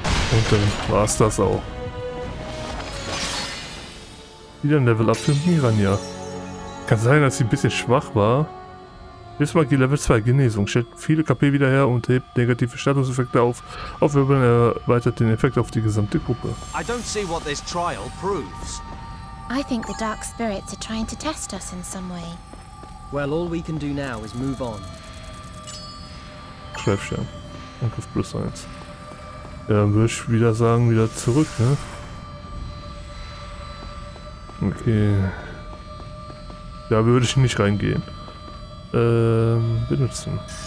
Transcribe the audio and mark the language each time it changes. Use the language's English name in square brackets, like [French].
[German] Und dann war's das auch. Wieder ein Level Up für Miranja. Kann sein, dass sie ein bisschen schwach war. Jetzt mal die Level 2 Genesung. Stellt viele KP wieder her und hebt negative Statuseffekte auf. Aufwirbeln erweitert den Effekt auf die gesamte Gruppe. [English] I don't see what this trial proves. I think the dark spirits are trying to test us in some way. Well, all we can do now is move on. [German] Treffschirm. Angriff plus 1. Ja, dann würde ich wieder sagen, wieder zurück, ne? Okay. Da würde ich nicht reingehen. Benutzen.